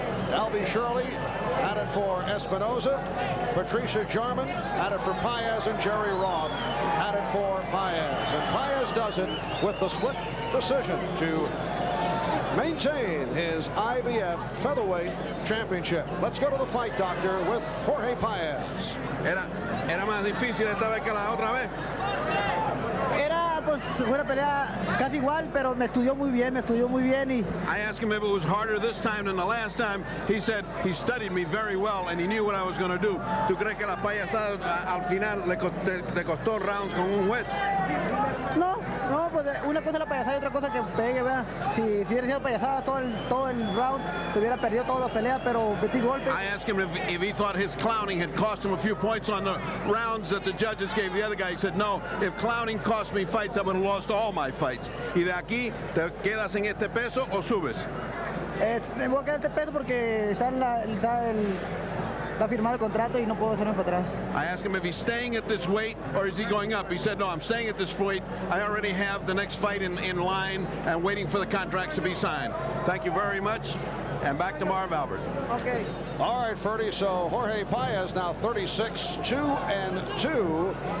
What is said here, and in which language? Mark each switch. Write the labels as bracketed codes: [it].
[en] Albie Shirley had it for Espinoza. Patricia Jarman had it for Paez, and Jerry Roth had it for Paez. And Paez does it with the split decision to maintain his IBF featherweight championship. Let's go to the fight doctor with Jorge Paez. [es] Era más difícil esta vez que la otra vez. Era pues fue una pelea casi igual, pero me estudió muy bien y [en] I asked him if it was harder this time than the last time. He said he studied me very well and he knew what I was going to do. [es] ¿Tú crees que la payasada al final le costó rounds con un juez? No, pues una cosa es la payasada y otra cosa que pegue, ¿verdad? Si hubiera sido payasada todo el round, se hubiera perdido todas las peleas, pero metí golpes. [en] I asked him if he thought his clowning had cost him a few points on the rounds that the judges gave the other guy. He said, no, if clowning cost me fights, I would have lost all my fights. [es] ¿Y de aquí te quedas en este peso o subes? Me voy a quedar en este peso porque está firmado el contrato y no puedo hacerme para atrás. [en] I asked him if he's staying at this weight or is he going up. He said, no, I'm staying at this weight. I already have the next fight in line and waiting for the contracts to be signed. Thank you very much. And back to Marv Albert. Okay. All right, Ferdy. So Jorge Paez now 36-2-2.